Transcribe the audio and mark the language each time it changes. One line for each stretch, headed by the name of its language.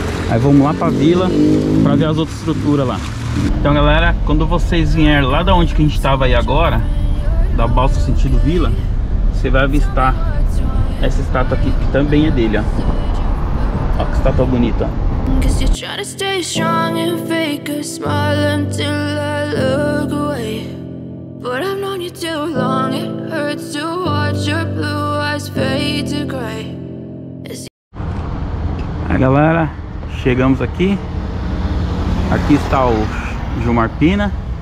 Portuguese: Aí vamos lá pra vila pra ver as outras estruturas lá. Então galera, quando vocês vierem lá da onde que a gente tava aí agora, da balsa sentido vila, você vai avistar essa estátua aqui, que também é dele, ó. Ó que estátua bonita, ó.
English: Cause you're trying to stay strong and fake a smile until I look away. But I've known you too long, it hurts to watch your blue eyes fade to gray.
Portuguese: Aí galera, chegamos aqui. Aqui está o Gilmar Pina.